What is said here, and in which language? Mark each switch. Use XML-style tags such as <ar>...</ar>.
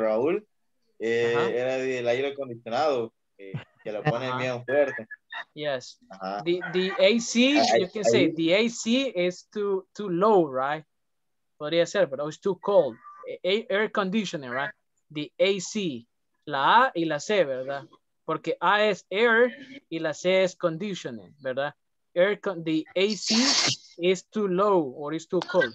<es>Raúl era del aire acondicionado, que lo pone bien fuerte.</es> <en>Yes, the AC, you can say the AC is too low, right?</en> <es>Podría ser, pero</es> <en>it's too cold. Air conditioning, right?</en> <es>The AC, la A y la C, ¿verdad? Porque A es air y la C es conditioning, ¿verdad?</es> <en>The AC is too low or is too cold.</en>